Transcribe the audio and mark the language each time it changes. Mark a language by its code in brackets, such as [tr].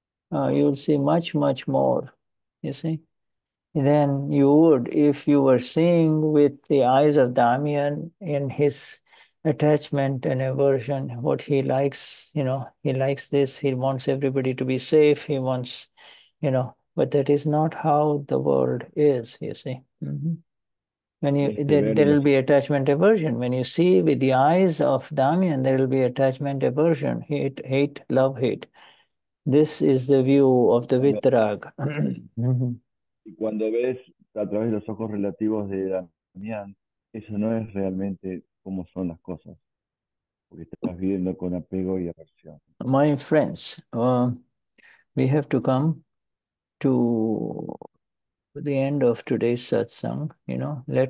[en] You will see much, much more, you see, than you would if you were seeing with the eyes of Damian in his attachment and aversion, what he likes, you know, he likes this, he wants everybody to be safe, he wants, you know, but that is not how the world is, you see. When you, there will be attachment aversion. When you see with the eyes of Damian, there will be attachment aversion, hate, love, hate. This is the view of the Vitrag. [es] Y cuando ves a través de los ojos relativos de Damian, eso no es realmente como son las cosas, porque estás viviendo con apego y aversión. [en] My friends, we have to come to the end of today's satsang, you know.